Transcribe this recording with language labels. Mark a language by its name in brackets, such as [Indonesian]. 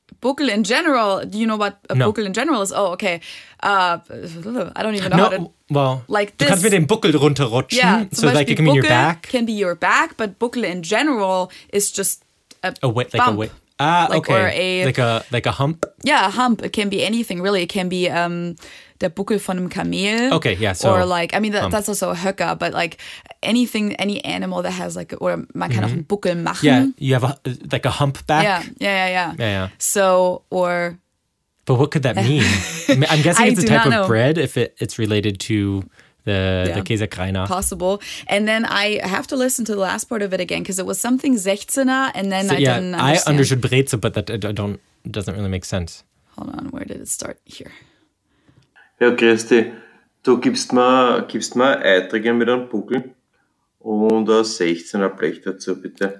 [English] Buckel in general, do you know what a Buckel in general is? Oh, okay. I don't even know how to... Well, like this. [German] Du kannst mir den Buckel runterrutschen. [English] Yeah, so like it can mean your back. Can be your back, but Buckel in general is just a bump. Like a hump? Yeah, a hump. It can be anything, really. It can be [German] der Buckel von einem Kamel. [English] Okay, yeah, so... Or like, I mean, that's also a Höcker, but like anything, any animal that has like... [German] Or man kann auch einen Buckel machen. [English] Yeah, you have a hump back? Yeah. Yeah, yeah, yeah. So, or... But what could that mean? I'm guessing it's a type of bread if it's related to the Käse Greiner. Possible. And then I have to listen to the last part of it again because it was something 16er and then so, I didn't understand. I understood Breze, but that doesn't really make sense. Hold on, where did it start? Here. [German] Ja, grüß dich. Du gibst mir Eiträge mit einem Buckel und ein 16er Blech dazu, bitte.